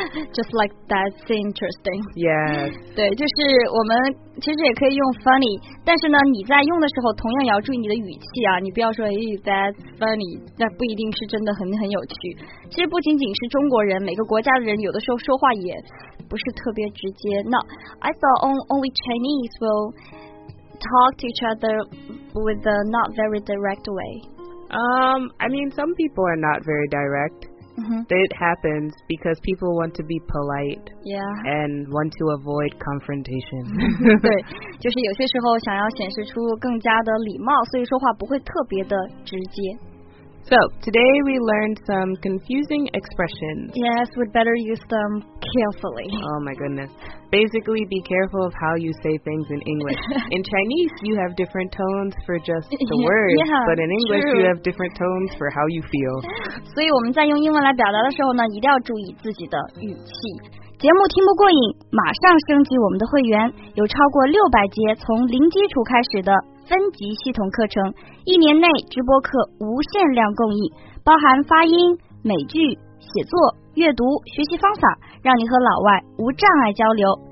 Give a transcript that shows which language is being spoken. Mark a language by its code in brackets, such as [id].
[en] Just like that's interesting. Yes. [zh] 对，就是我们其实也可以用 funny， 但是呢，你在用的时候同样也要注意你的语气啊，你不要说 [en] hey, that's funny， [zh] 那不一定是真的很有趣。其实不仅仅是中国人，每个国家的人有的时候说话也不是特别直接。 [en] 那 I thought only Chinese will. Talk to each other with a not very direct way. I mean, some people are not very direct. Mm-hmm. It happens because people want to be polite. Yeah. And want to avoid confrontation. [zh] 对，就是有些时候想要显示出更加的礼貌，所以说话不会特别的直接。 [en] So, today we learned some confusing expressions. Yes, we'd better use them carefully. Oh my goodness. Basically, be careful of how you say things in English. In Chinese, you have different tones for just the words. Yeah, but in English, true. You have different tones for how you feel. [zh] 所以我们在用英文来表达的时候呢，一定要注意自己的语气。节目听不过瘾，马上升级我们的会员，有超过600节从零基础开始的分级系统课程，一年内直播课无限量供应，包含发音、美剧、写作、阅读、学习方法，让你和老外无障碍交流。